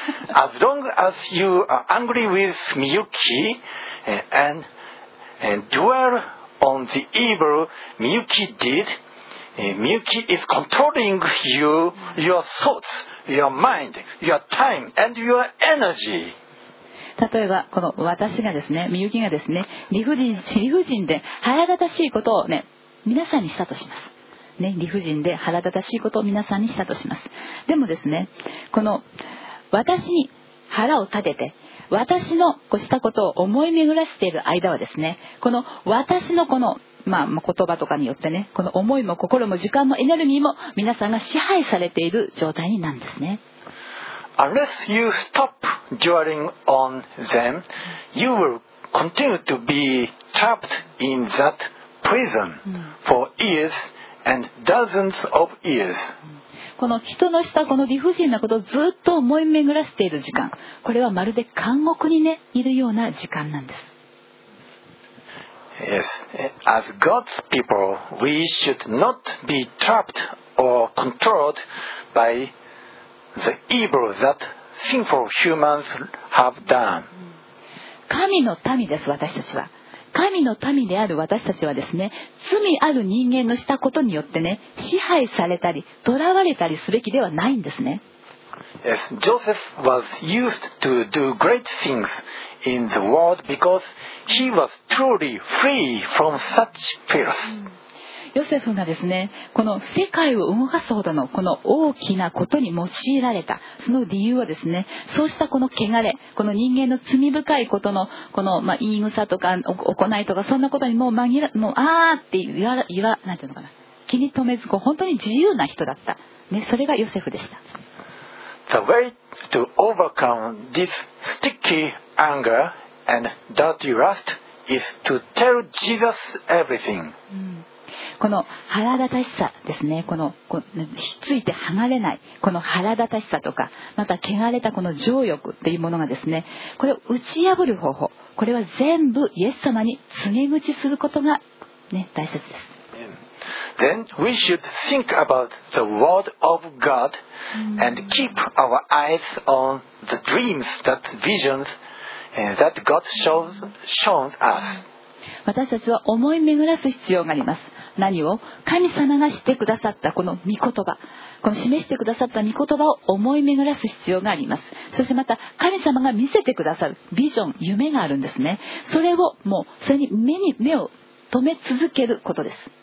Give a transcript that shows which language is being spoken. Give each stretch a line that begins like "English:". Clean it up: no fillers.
English: As long as you are angry with Miyuki and dwellOn the evil Miyuki did, Miyuki is controlling you, your thoughts, your mind, your time, and your energy.
Japanese: 例えばこの私がですね、Miyukiがですね、理不尽で腹立たしいことをね、皆さんにしたとします。ね、理不尽で腹立たしいことを皆さんにしたとします。でもですね、この私に腹を立てて、私のしたことを思い巡らしている間はですね、この私のこの、言葉とかによってね、この思いも心も時間もエネルギーも皆さんが支配されている状態になるんですね。
English: Unless you stop dwelling on them, you will continue to be trapped in that prison for years and dozens of years.
Japanese: この人のしたこの理不尽なことをずっと思い巡らしている時間、これはまるで監獄にね、いるような時間なんです。
English: Yes. As God's people, we should not be trapped or controlled by the evil that sinful humans have done.
Japanese: 神の民です、私たちは。神の民である私たちはですね、罪ある人間のしたことによってね、支配されたり囚われたりすべきではないんですね。
English: Yes, Joseph was used to do great things in the world because he was truly free from such fears.
Japanese: ヨセフがですね、この世界を動かすほどのこの大きなことに用いられた、その理由はですね、そうしたこの汚れ、この人間の罪深いことのこの言い草とか行いとか、そんなことにもう紛ら、もうあーって言わなんていうのかな、気に留めず、こう本当に自由な人だった、ね、それがヨセフでした。
English: The way to overcome this sticky anger and dirty lust is to tell Jesus everything、
Japanese: この腹立たしさですね、このこひっついて剥がれないこの腹立たしさとか、また汚れたこの情欲というものがですね、これを打ち破る方法、これは全部イエス様に告げ口することが、ね、大切です。
English: Then we should think about the word of God and keep our eyes on the dreams, that visions that God shows us.
Japanese: 私たちは思い巡らす必要があります。何を？神様がしてくださったこの御言葉、この示してくださった御言葉を思い巡らす必要があります。そしてまた神様が見せてくださるビジョン、夢があるんですね。それをもうそれに目を留め続けることです。